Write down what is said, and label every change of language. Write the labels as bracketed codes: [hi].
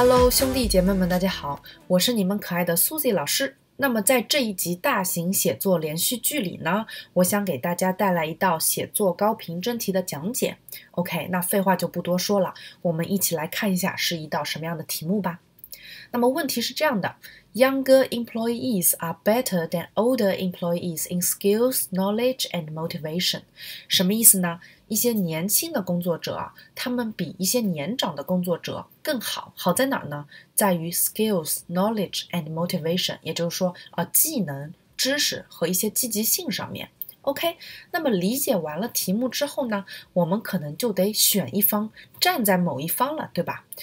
[zh] 兄弟姐妹们，大家好，我是你们可爱的 Suzy 老师。那么在这一集大型写作连续剧里呢，我想给大家带来一道写作高频真题的讲解。 OK， 那废话就不多说了，我们一起来看一下是一道什么样的题目吧。那么问题是这样的， [en] Younger employees are better than older employees in skills, knowledge, and motivation. [zh] 什么意思呢？一些年轻的工作者，他们比一些年长的工作者更好。好在哪呢？在于 [en] skills, knowledge, and motivation， [zh] 也就是说技能、知识和一些积极性上面。 OK， 那么理解完了题目之后呢，我们可能就得选一方，站在某一方了，对吧？